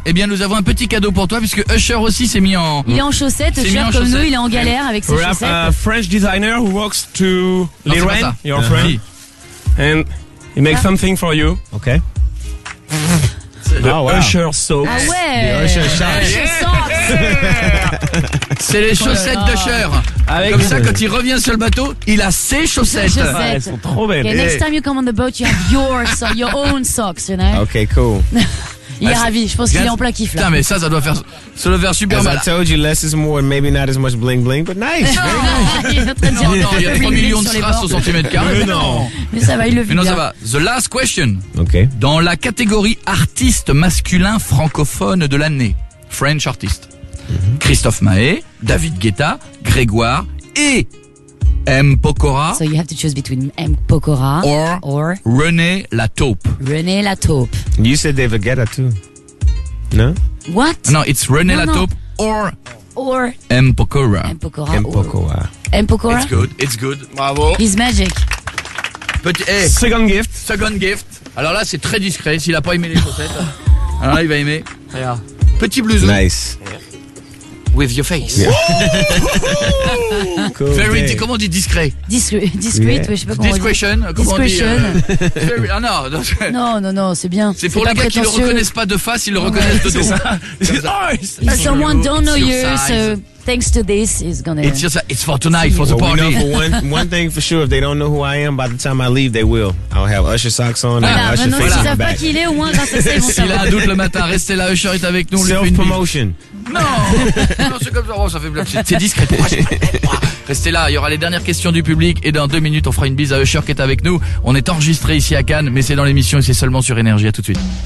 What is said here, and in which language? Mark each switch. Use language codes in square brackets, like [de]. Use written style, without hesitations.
[fr] Eh bien, nous avons un petit cadeau pour toi puisque Usher aussi s'est mis en. Il est en chaussettes. Usher, comme chaussettes. Nous, il est en galère avec ses chaussettes. [en] We have a French designer who works to Lorraine, your friend. And He makes something for you. Okay. The Usher socks. [fr] Ah ouais. [en] The Usher socks. [fr] C'est les chaussettes d'Usher. Avec comme ça, quand il revient sur le bateau, il a ses chaussettes. Ouais, elles sont trop belles. [en] Okay, next time you come on the boat, you have your your own socks, you know. Okay, cool. [fr] Il est ravi, je pense qu'il est en plein kiff là. Putain, mais ça, ça doit faire super mal. [en] I told you, less is more, maybe not as much bling bling, but nice. Very nice. [fr] Il est en train de dire, il y a 3 millions de strass au centimètre carré. Mais non. Mais ça va, il le vit. Mais non, ça va. [en] The last question. Okay. [fr] Dans la catégorie artiste masculin francophone de l'année, [en] French artist. [fr] Mm-hmm. Christophe Maé, David Guetta, Grégoire et M. Pokora. [en] So you have to choose between M. Pokora or René La Taupe. René La Taupe. You said David Guetta too. No? What? No, it's René La Taupe or M. Pokora. M. Pokora. M. Pokora. M. Pokora. It's good. It's good. Bravo. He's magic. But hey, second gift. [fr] Alors là, c'est très discret. S'il a pas aimé les chaussettes, alors là, il va aimer. Yeah. Petit blouson. [en] Nice. With your face. Yeah. Cool. Very [fr] comment on dit discret? Discret, yeah. Oui, je sais pas comment [en] discretion, [fr] on dit. Discretion, comment on dit? Discretion. Ah non. Non, c'est bien. C'est pour c'est les gars qui ne le reconnaissent pas de face, ils le reconnaissent de dos. [en] Someone don't know you, so thanks to this is gonna. It's just it's for tonight, for the party. Well, we know for one thing for sure, if they don't know who I am, by the time I leave, they will. I'll have Usher socks on and Usher face on the back. [fr] Ils savent pas qui il est, au moins, grâce à ça, ils vont savoir. S'il a un doute le matin, restez là, Usher est avec nous. [en] Self-promotion. [fr] Non, c'est comme ça, ça fait blague. C'est discret. Restez là, il y aura les dernières questions du public et dans 2 minutes, on fera une bise à Usher qui est avec nous. On est enregistré ici à Cannes, mais c'est dans l'émission et c'est seulement sur Énergie. À tout de suite.